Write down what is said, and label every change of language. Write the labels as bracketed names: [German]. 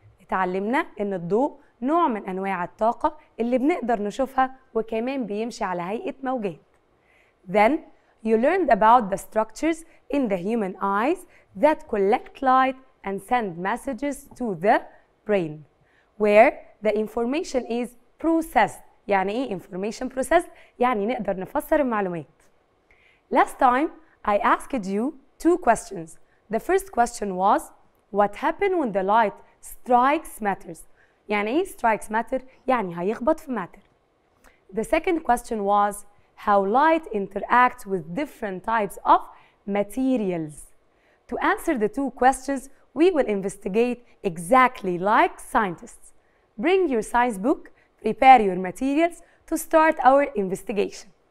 [Arabic] اتعلمنا ان الضوء نوع من انواع الطاقه اللي بنقدر نشوفها وكمان بيمشي على هيئه موجات. [English] Then you learned about the structures in the human eyes that collect light and send messages to the brain where the information is processed. [Arabic] يعني ايه [English] information processed؟ [Arabic] يعني نقدر نفسر المعلومات. [English] Last time I asked you two questions. The first question was what happened when the light strikes matters. [Arabic] يعني ايه [English] strikes matter؟ [Arabic] يعني هيخبط في matter. [English] The second question was how light interacts with different types of materials. To answer the two questions, we will investigate exactly like scientists. Bring your science book, prepare your materials to start our investigation.